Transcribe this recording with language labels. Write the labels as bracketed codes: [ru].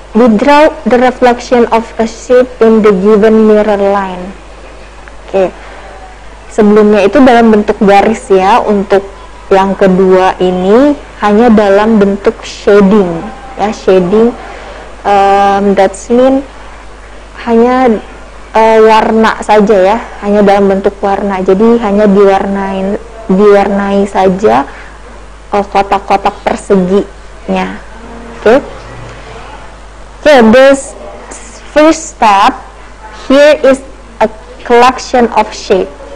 [en] Okay. We draw the reflection of a shape in the given mirror line. Oke. Okay. [id] Sebelumnya itu dalam bentuk garis, ya. Untuk yang kedua ini hanya dalam bentuk shading, ya. Shading. [en] That mean [id] hanya warna saja, ya. Hanya dalam bentuk warna. Jadi hanya diwarnai saja. Kotak-kotak perseginya. Oke. Okay. [en] Okay, this first step, here is a collection of shape.